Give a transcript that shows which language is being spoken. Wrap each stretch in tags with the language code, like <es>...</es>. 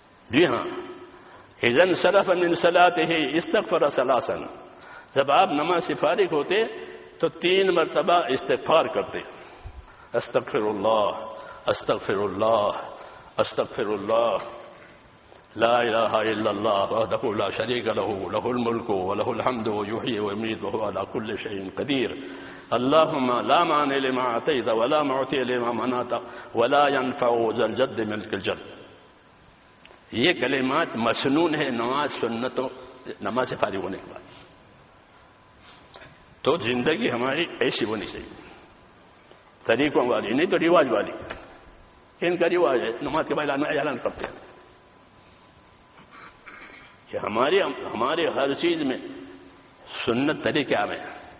<ur>جی ہاں,</ur> <ar>اذن صرف من صلاته استغفر ثلاثا,</ar> <ur>جب آپ نماز سے فارغ ہوتے تو تین مرتبہ استغفار کرتے,</ur> <ar>استغفر اللہ استغفر اللہ استغفر اللہ, لا الہ الا اللہ وحدہ لا شریک له, له الملک وله الحمد یحیی ویمیت وهو على کل شیء قدیر. اللهم لا مانع لما اعطیت ولا معطی لما منعت ولا ینفع ذا الجد منک الجد.</ar> <ur>یہ کلمات مسنون ہے نماز سنتوں, نماز سے فارغ ہونے کے بعد. تو زندگی ہماری ایسی ہونی چاہیے, طریقوں والی نہیں تو رواج والی. ان کا رواج ہے نماز کے بعد اعلان کرتے ہیں کہ ہمارے ہر چیز میں سنت طریقے آ رہے ہیں.</ur>